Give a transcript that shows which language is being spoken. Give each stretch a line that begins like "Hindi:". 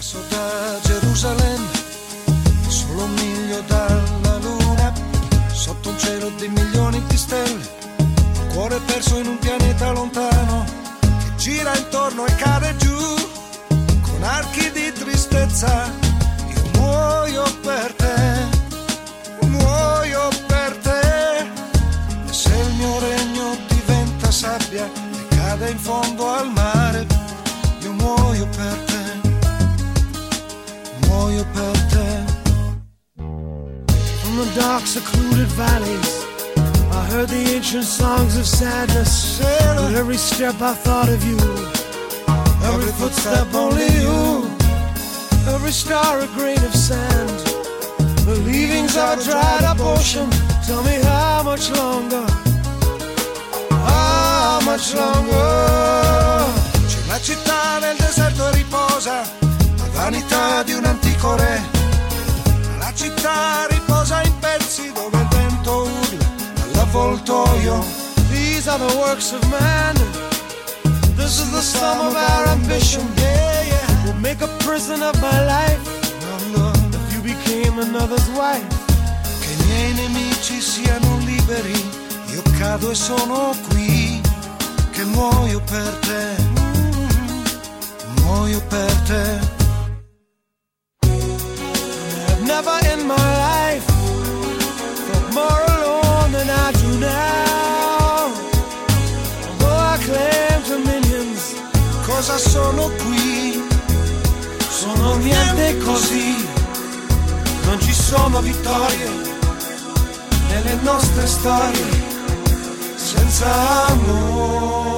Italian: Da Gerusalemme, solo un miglio dalla luna, sotto un cielo di milioni di stelle, un cuore perso in un pianeta lontano, che gira intorno e cade giù, con archi di tristezza, io muoio per te, muoio per te. E se il mio regno diventa sabbia e cade in fondo al mare, io muoio per te. Per te.
English: From the dark secluded valleys I heard the ancient songs of sadness. With every step I thought of you, every footstep only you, every star a grain of sand, the leavings are dried up ocean. Tell me how much longer, how much longer.
Italian: C'è la città nel deserto riposa, vanità di un antico re, la città riposa in pezzi dove il vento urla all'avvoltoio.
English: These are the works of man, this is the sum of our ambition. Yeah, yeah. We'll make a prison of my life, if you became another's wife.
Italian: Che i miei nemici siano liberi, io cado e sono qui, che muoio per te, muoio per te.
English: Never in my life felt more alone than I do now. Though I claim dominions,
Italian: cosa sono qui? Sono niente così. Non ci sono vittorie nelle nostre storie senza amore.